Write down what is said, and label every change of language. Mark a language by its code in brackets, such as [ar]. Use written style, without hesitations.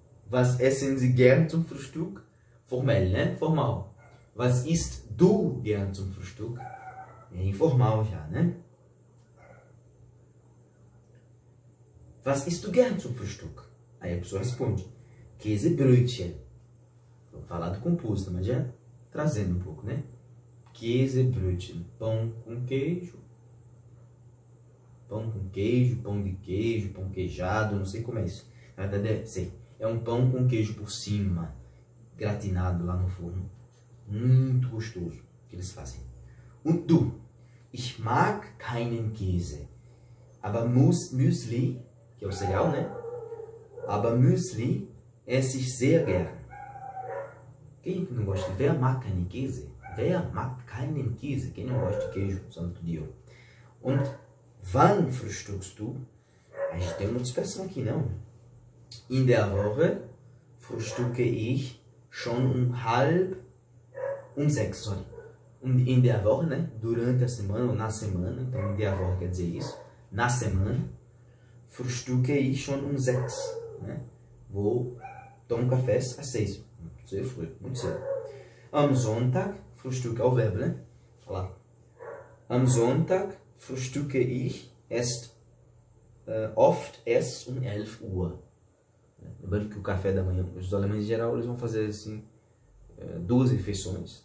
[de] Was essen Sie gern zum Frühstück? Formell, [pt] né? Formal. [de] Was isst du gern zum Frühstück? [pt] É informal já, né? [de] Was isst du gern zum Frühstück? [pt] Aí a pessoa responde. Käsebrötchen. Falado composto, mas já trazendo um pouco, né? Käsebrötchen. Pão com queijo. Pão com queijo, pão de queijo, pão queijado, não sei como é isso. Até sei. É um pão com queijo por cima, gratinado lá no forno. Muito gostoso que eles fazem. [de] Und du? Ich mag keinen Käse. [pt] Aber Müsli, que é o cereal, né? [de] Aber Müsli esse sehr gern. [pt] Quem não gosta de... [de] Wer mag keinen Käse? Wer mag keinen Käse? [pt] Quem não gosta de queijo, santo de Deus. [de] Und wann frühstückst du? [pt] A gente tem uma dispersão aqui, não? [de] In der Woche frühstücke ich schon um sechs, sorry. [pt] In der Woche, né? Durante a semana ou na semana, então [de] in der Woche [pt] quer dizer isso, na semana, [de] frühstücke ich schon sechs, [pt] né? Vou tomar café às seis, [de] sehr früh, [pt] muito cedo. [de] Am Sonntag, frühstücke, [pt] é o verbo, né? Olha lá. [de] Am Sonntag frühstücke ich oft erst 11 Uhr. [pt] Lembrando que o café da manhã, os alemães em geral, eles vão fazer assim, duas refeições.